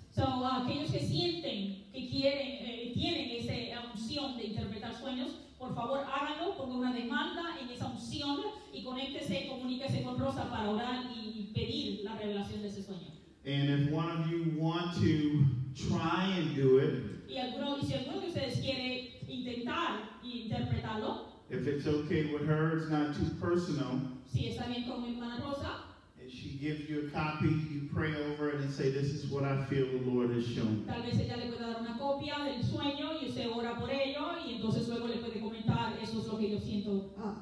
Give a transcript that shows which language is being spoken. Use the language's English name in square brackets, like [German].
[Spanish] So aquellos que sienten que quieren tienen esa unción de interpretar sueños, por favor háganlo, ponga una demanda en esa unción y conéctese, comuníquese con Rosa para orar y pedir la revelación de ese sueño. [English] And if one of you want to try and do it. [Spanish] Y alguno, si alguno de ustedes quiere intentar y interpretarlo. [English] If it's okay with her, it's not too personal. [Spanish] Si está bien con mi hermana Rosa. [English] And she gives you a copy, you pray over it and say, this is what I feel the Lord has shown. [Spanish] Tal vez ella le pueda dar una copia del sueño y usted ora por ello y entonces luego le puede comentar, eso es lo que yo siento.